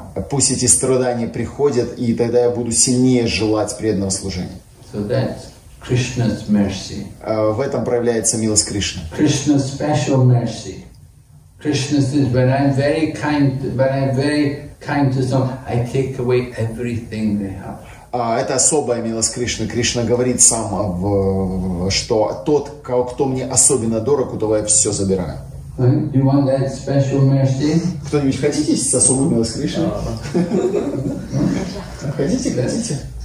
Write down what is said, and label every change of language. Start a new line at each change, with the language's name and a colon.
Russian: Пусть эти страдания приходят, и тогда я буду сильнее желать преданного служения.
English: So that's Krishna's mercy.
Russian: В этом проявляется милость Кришны.
English: Krishna's special mercy. Krishna says, when I'm very kind to someone, I take away everything they have.
Russian: Это особая милость Кришны. Кришна говорит сам, что тот, кто мне особенно дорог, у того я все забираю.
English: You want that special mercy?
Russian: Кто-нибудь хотите с особой милостью Кришны? Хотите?